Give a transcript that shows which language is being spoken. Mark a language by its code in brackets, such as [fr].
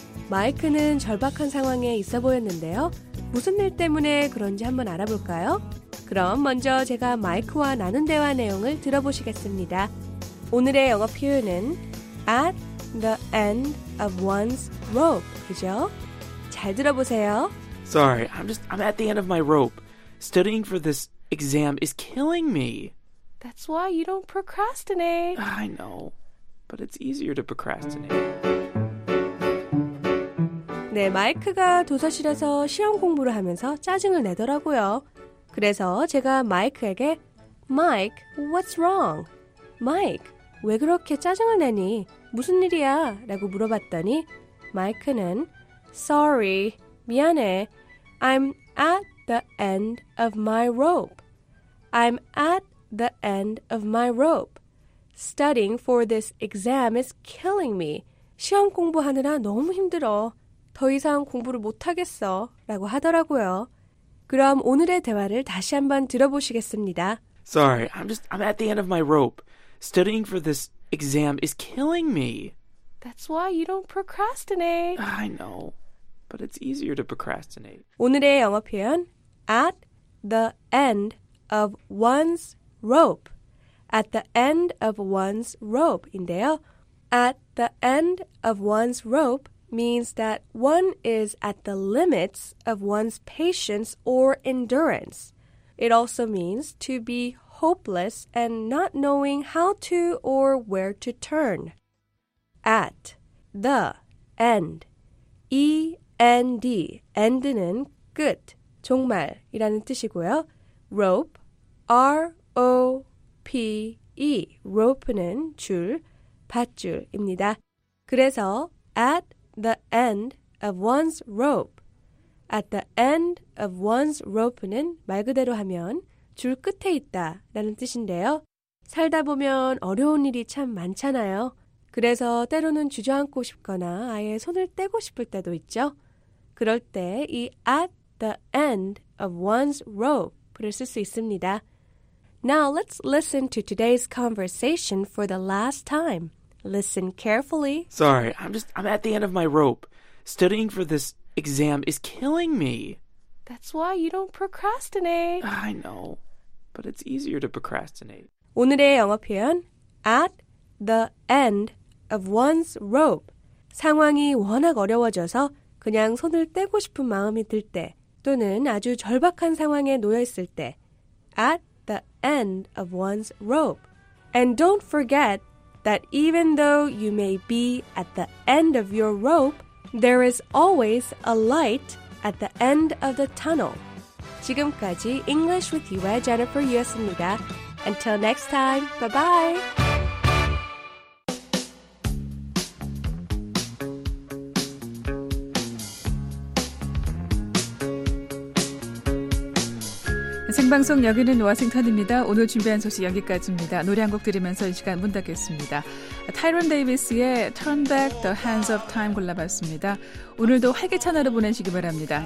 [ko] 마이크는 절박한 상황에 있어 보였는데요. 무슨 일 때문에 그런지 한번 알아볼까요? 그럼 먼저 제가 마이크와 나눈 대화 내용을 들어보시겠습니다. 오늘의 영어 표현은 [en] at the end of one's rope, [ko] 그죠? 잘 들어보세요. [en] Sorry, I'm at the end of my rope. Studying for this exam is killing me. That's why you don't procrastinate. I know, but it's easier to procrastinate. [ko] 네, 마이크가 도서실에서 시험 공부를 하면서 짜증을 내더라고요. 그래서 제가 마이크에게 [en] Mike, what's wrong? [ko] 마이크, 왜 그렇게 짜증을 내니? 무슨 일이야? 라고 물어봤더니 마이크는 Sorry, 미안해. [en] I'm at the end of my rope. I'm at the end of my rope. Studying for this exam is killing me. [ko] 시험 공부하느라 너무 힘들어. 더 이상 공부를 못하겠어. 라고 하더라고요. 그럼 오늘의 대화를 다시 한번 들어보시겠습니다. [en] Sorry, I'm at the end of my rope. Studying for this exam is killing me. That's why you don't procrastinate. I know, but it's easier to procrastinate. [ko] 오늘의 영어 표현, [en] at the end of one's rope. At the end of one's rope [ko] 인데요. [en] At the end of one's rope means that one is at the limits of one's patience or endurance. It also means to be hopeless and not knowing how to or where to turn. At the end. E-N-D. [ko] End는 끝, 종말이라는 뜻이고요. [en] Rope, R-O-P-E. [ko] Rope는 줄, 밧줄입니다. 그래서 [en] at the end of one's rope. At the end of one's rope [ko] 는 말 그대로 하면 줄 끝에 있다라는 뜻인데요. 살다 보면 어려운 일이 참 많잖아요. 그래서 때로는 주저앉고 싶거나 아예 손을 떼고 싶을 때도 있죠. 그럴 때 이 [en] at the end of one's rope [ko] 를 쓸 수 있습니다. [en] Now let's listen to today's conversation for the last time. Listen carefully. Sorry, I'm at the end of my rope. Studying for this exam is killing me. That's why you don't procrastinate. I know, but it's easier to procrastinate. [ko] 오늘의 영어 표현, [en] at the end of one's rope. [ko] 상황이 워낙 어려워져서 그냥 손을 떼고 싶은 마음이 들 때 또는 아주 절박한 상황에 놓여 있을 때 [en] at the end of one's rope. And don't forget that even though you may be at the end of your rope, there is always a light at the end of the tunnel. [ko] 지금까지 English with you의 Jennifer Yu였습니다. [en] Until next time, bye-bye! [ko] Sing방송 여기는 워싱턴입니다. 오늘 준비한 소식 여기까지입니다. 노래 한 곡 들으면서 이 시간 문 닫겠습니다. 타이론 데이비스의 Turn Back the Hands of Time 골라봤습니다. 오늘도 활기찬 하루 보내시기 바랍니다.